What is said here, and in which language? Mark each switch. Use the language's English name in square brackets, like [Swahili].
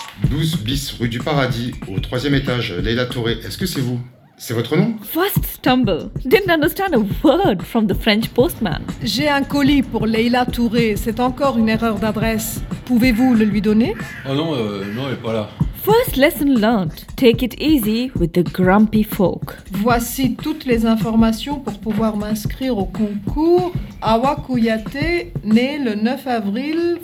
[French] Douze bis rue du Paradis, au troisième étage, Leila Touré, est-ce que c'est vous? C'est votre nom? [English] First stumble. Didn't understand a word from the French postman. [French] J'ai un colis pour Leila Touré, c'est encore une erreur d'adresse. Pouvez-vous le lui donner? Oh non, non, elle est pas là. [English] First lesson learned. Take it easy with the grumpy folk. [French] Voici toutes les informations pour pouvoir m'inscrire au concours. Awa Kouyaté, née le 9 avril.